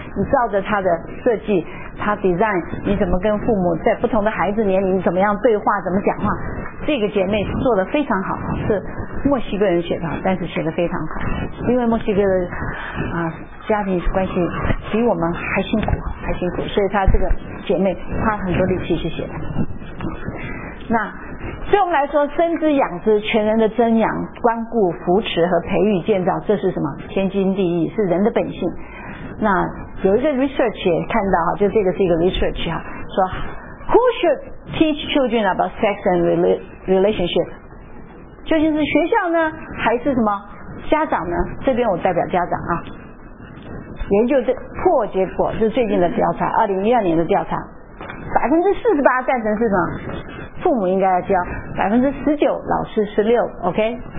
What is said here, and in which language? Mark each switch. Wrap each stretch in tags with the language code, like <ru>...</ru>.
<zh>你照着它的设计，它 design， 你怎么跟父母在不同的孩子年龄怎么样对话，怎么讲话，这个姐妹做得非常好，是墨西哥人写的，但是写得非常好，因为墨西哥的家庭关系比我们还辛苦，所以她这个姐妹花很多力气去写的。那对我们来说，生之养之，全人的真养、关顾、扶持和培育建造，这是什么？天经地义，是人的本性。那有一个 research 也看到哈，就这个是一个 research 哈，说</zh> <en>Who should teach children about sex and relationship？</en> <zh>究竟是学校呢还是什么家长呢？这边我代表家长啊，研究这破结果，就是最近的调查，2012年的调查，48%赞成是什么？父母应该要教，19%老师16%， OK。</zh>